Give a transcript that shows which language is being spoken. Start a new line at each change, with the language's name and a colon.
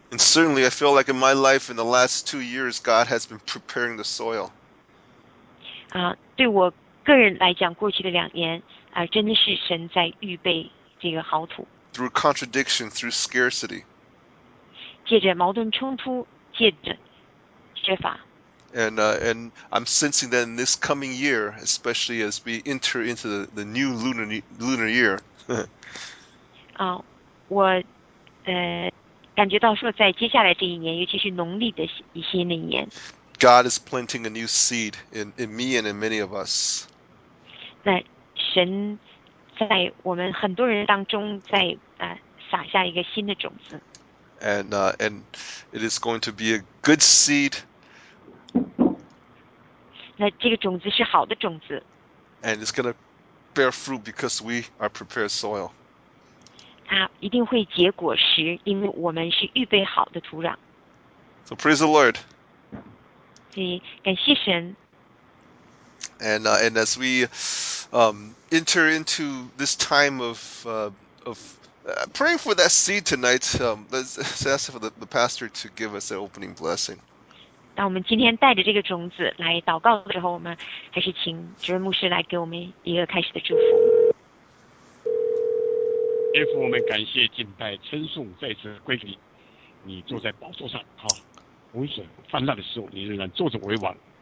English: And certainly, I feel like in my life in the last 2 years, God has been preparing the soil.
Chinese: 对我个人来讲，过去的两年，真的是神在预备这个好土。
English: Through contradiction, through scarcity.
Chinese: 借着矛盾冲突，借着缺乏。
English: And I'm sensing that in this coming year, especially as we enter into the new lunar year.
Chinese: 感觉到说，在接下来这一年，尤其是农历的一些那年，
English: God is planting a new seed in me and in many of us.
Chinese: 那神在我们很多人当中在，撒下一个新的种子。
English: And it is going to be a good seed.
Chinese: 那这个种子是好的种子，
English: And it's going to bear fruit because we are prepared soil.
Chinese: 它一定会结果实，因为我们是预备好的土壤。
English: So praise the Lord.
Chinese: 对，感谢神。
English: And as we enter into this time of praying for that seed tonight, let's ask for the pastor to give us an opening blessing.
Chinese: 当我们今天带着这个种子来祷告的时候，我们还是请主任牧师来给我们一个开始的祝福。天父，我们感谢、敬拜、称颂，再次归给你。你坐在宝座上，洪水泛滥的时候，你仍然坐着为王。